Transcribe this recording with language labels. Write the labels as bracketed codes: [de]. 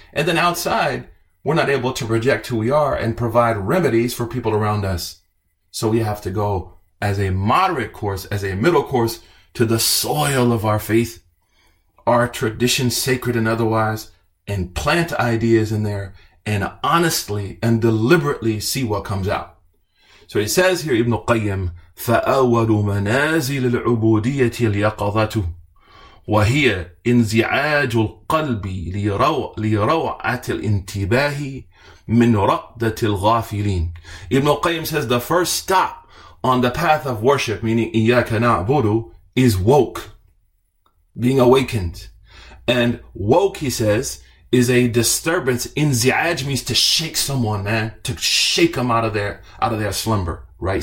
[en] And then outside, we're not able to project who we are and provide remedies for people around us. So we have to go as a moderate course, as a middle course, to the soil of our faith, our tradition, sacred and otherwise, and plant ideas in there and honestly and deliberately see what comes out. So he says here, Ibn Qayyim, [ar] فأول منازل العبودية اليقظة وهي انزعاج القلب لروعة الانتباه من رقدة الغافلين. [en] Ibn Qayyim says the first stop on the path of worship, meaning [ar] إياك نعبدو, [en] is woke, being awakened. And woke, he says, is a disturbance. انزعاج means to shake someone, man, to shake them out of their slumber. Right?